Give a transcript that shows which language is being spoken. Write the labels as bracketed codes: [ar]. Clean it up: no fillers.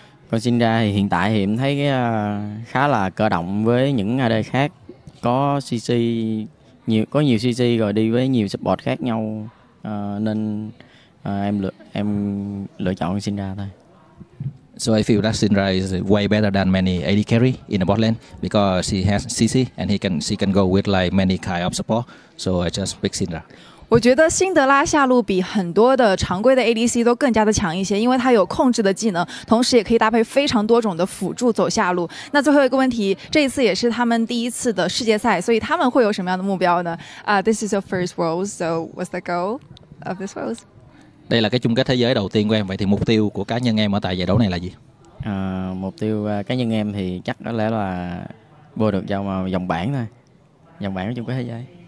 [vi] Con Syndra thì hiện tại thì em thấy khá là cơ động với những AD khác. Có CC, có nhiều CC rồi đi với nhiều support khác nhau. Nên em lựa chọn con Syndra thôi. [en] So I feel that Syndra is way better than many AD carry in the bot lane because she has CC and she can go with like many kind of support. So I just pick Syndra. [zh] 我觉得辛德拉下路比很多的常规的 ADC 都更加的强一些，因为他有控制的技能，同时也可以搭配非常多种的辅助走下路。那最后一个问题，这一次也是他们第一次的世界赛，所以他们会有什么样的目标呢？ [en] This is your first world, so what's the goal of this world? [vi] Đây là cái chung kết thế giới đầu tiên của em. Vậy thì mục tiêu của cá nhân em ở tại giải đấu này là gì? Mục tiêu cá nhân em thì chắc có lẽ là vô được vào vòng bảng thôi. Vòng bảng của chung kết thế giới.